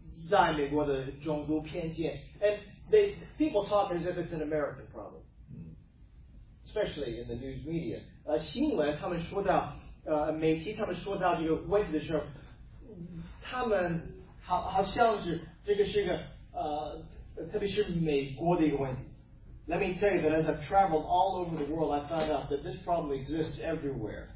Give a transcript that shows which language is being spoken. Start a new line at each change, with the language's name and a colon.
Chinese: 在美国的种族偏见,
English: and they people talk as if it's an American problem, especially in the news media.
Chinese: 新闻他们说到媒体他们说到这个问题的时候，他们好像是这个是一个特别是美国的一个问题.
English: Let me tell you that as I've traveled all over the world, I found out that this problem exists everywhere.